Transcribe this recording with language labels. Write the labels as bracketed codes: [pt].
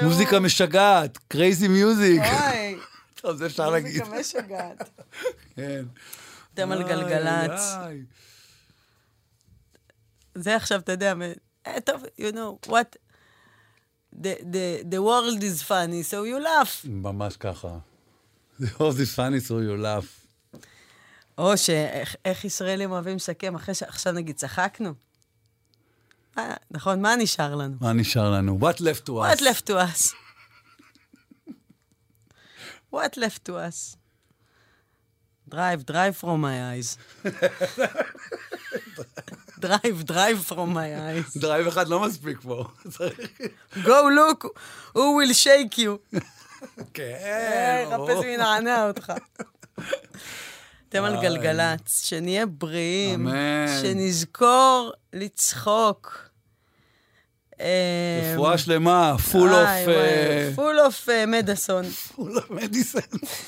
[he] מוזיקה משגעת, [en] crazy music. [he] אוי. טוב, זה אפשר להגיד. מוזיקה משגעת. כן. אתם על גלגלץ. זה עכשיו, אתה יודע, טוב, [en] you know, what? The world is funny, so you laugh. [he] ממש ככה. [en] The world is funny, so you laugh. [he] או שאיך ישראלים אוהבים לסכם, אחרי שעכשיו נגיד צחקנו. נכון, מה נשאר לנו? מה נשאר לנו? [en] What left to us? What left to us? What left to us? Drive from my eyes. Drive from my eyes. [he] Drive אחד לא מספיק פה. [en] Go look, who will shake you. [he] כן. חפש מי נענע אותך. אתם על גלגלץ, שנהיה בריאים. אמן. שנזכור לצחוק. רפואה שלמה, full of... [en] full of medicine. full of medicine.